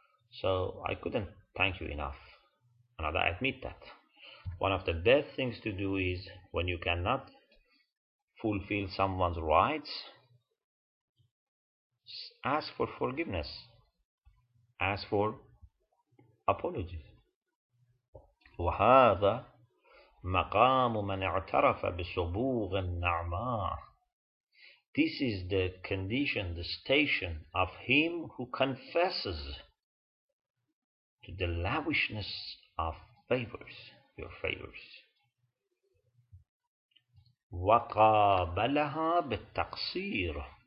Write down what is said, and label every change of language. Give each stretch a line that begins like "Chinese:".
English: So I couldn't thank you enough. And I admit that. One of the best things to do is when you cannot fulfill someone's rights, ask for forgiveness, ask for apologies.
Arabic: وهذا مقام من اعترف بسبوغ النعماء.
English: This is the condition, the station of him who confesses to the lavishness of favors, your favors.
Arabic: وقابلها بالتقصير.